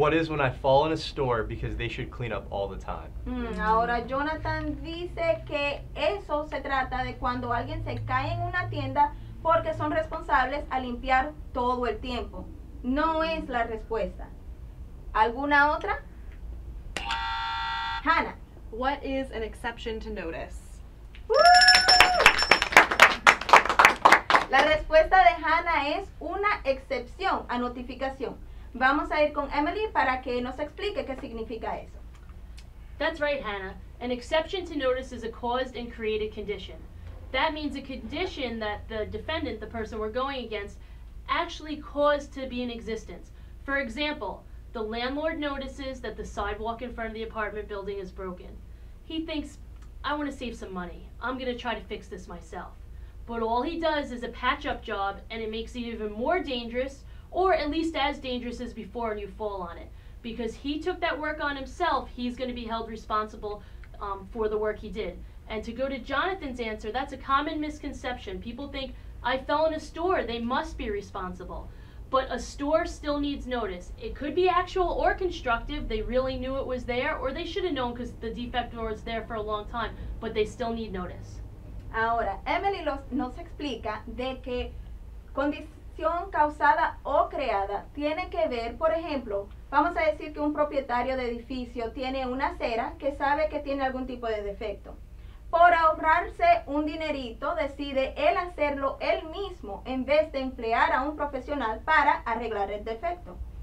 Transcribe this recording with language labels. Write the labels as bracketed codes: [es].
[en] What is when I fall in a store because they should clean up all the time? [es] Ahora Jonathan dice que eso se trata de cuando alguien se cae en una tienda porque son responsables a limpiar todo el tiempo. No es la respuesta. ¿Alguna otra? Hannah. [en] What is an exception to notice? [es] La respuesta de Hannah es una excepción a notificación. Vamos a ir con Emily para que nos explique qué significa eso. [en] That's right, Hannah. An exception to notice is a caused and created condition. That means a condition that the defendant, the person we're going against, actually caused to be in existence. For example, the landlord notices that the sidewalk in front of the apartment building is broken. He thinks, I want to save some money. I'm going to try to fix this myself. But all he does is a patch-up job, and it makes it even more dangerous, or at least as dangerous as before, and you fall on it. Because he took that work on himself, he's going to be held responsible for the work he did. And to go to Jonathan's answer, that's a common misconception. People think, I fell in a store, they must be responsible. But a store still needs notice. It could be actual or constructive, they really knew it was there, or they should have known because the defect was there for a long time, but they still need notice. [es] Ahora, Emily nos explica de que condición causada o creada tiene que ver, por ejemplo, vamos a decir que un propietario de edificio tiene una acera que sabe que tiene algún tipo de defecto. Por ahorrarse un dinerito, decide él hacerlo él mismo en vez de emplear a un profesional para arreglar el defecto.